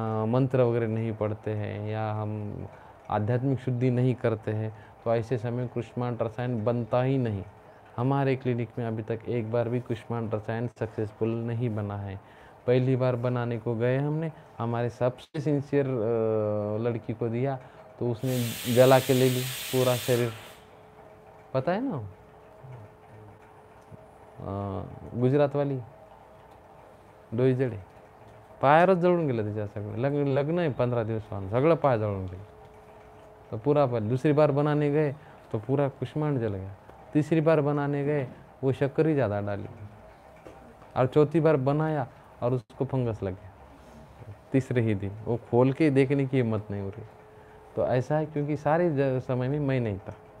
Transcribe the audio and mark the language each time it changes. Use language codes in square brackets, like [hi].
[hi] मंत्र वगैरह नहीं पढ़ते हैं या हम आध्यात्मिक शुद्धि नहीं करते हैं तो ऐसे समय कुष्मांड रसायन बनता ही नहीं, हमारे क्लिनिक में अभी तक एक बार भी कुष्मांड रसायन सक्सेसफुल नहीं बना है, पहली बार बनाने को गए हमने हमारे सबसे सिंसियर लड़की को दिया तो उसने जला के ले ली पूरा शरीर, पता है ना गुजरात वाली डोईजड़े [mr] पायरच जळून गेलं त्याच्या सगळं लग्न आहे 15 दिवसांत सगळं पाय जळून गेलं. [hi] तो पुरा पण दुसरी बार बनाने गए तो पुरा कुष्माण जल गया. तीसरी बार बनाने गए वो शक्कर ही ज़्यादा डाली. और चौथी बार बनाया और उसको फंगस लग गया तीसरे ही दिन. वो खोल के देखने की हिम्मत नहीं हो रही. तो ऐसा है क्योंकि सारे समय में मैं नहीं था.